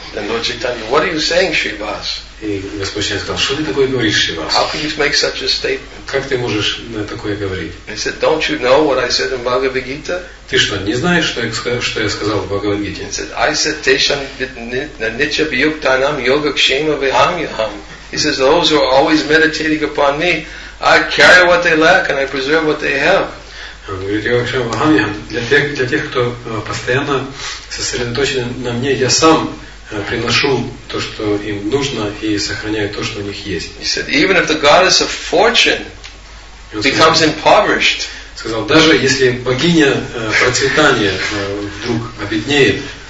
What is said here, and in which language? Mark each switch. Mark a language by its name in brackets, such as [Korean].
[English] Then Lord Chaitanya, what are you saying, Shrivas? [Russian] И Господь Чайтанья сказал, что ты такое говоришь, Шривас? [English] How can you make such a statement? [Russian] Как ты можешь такое говорить? [English] He said, don't you know what I said in Bhagavad Gita? [Russian] Ты что, не знаешь, что я сказал в Бхагавад Гите? [English] He said, I said, [Sanskrit] Tesham Nitya Bhyuktanam Yoga Kshema Viham Yaham. [English] He says, those who are always meditating upon me, I carry what they lack and I preserve what they have. [Russian] Он говорит, я вообще вахам я. Для тех, кто постоянно сосредоточен на мне, я сам приношу то, что им нужно, и сохраняю то, что у них есть. [English] He said, even if the goddess of fortune becomes impoverished. [Russian] Сказал, даже если богиня процветания вдруг обеднеет,